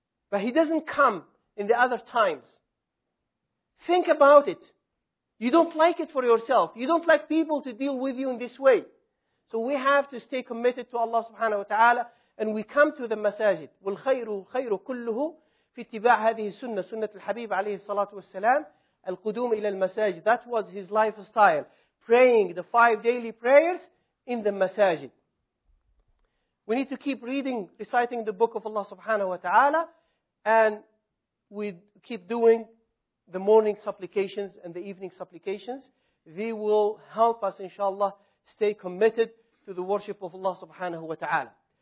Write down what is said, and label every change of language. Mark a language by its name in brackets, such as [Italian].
[English] But he doesn't come in the other times. Think about it. You don't like it for yourself. You don't like people to deal with you in this way. So we have to stay committed to Allah subhanahu wa ta'ala, and we come to the masajid. [Arabic] وَالْخَيْرُ خَيْرُ كُلُّهُ فِي اتِّبَاعَ هَذِهِ السُّنَّةِ سُنَّةِ الْحَبِيبِ عَلَيْهِ الصَّلَاةُ وَالسَّلَامِ الْقُدُومِ إِلَى الْمَسَاجِدِ. [English] That was his lifestyle. praying the five daily prayers in the masajid. We need to keep reading, reciting the book of Allah subhanahu wa ta'ala, and we keep doing the morning supplications and the evening supplications. They will help us, inshallah, stay committed to the worship of Allah subhanahu wa ta'ala.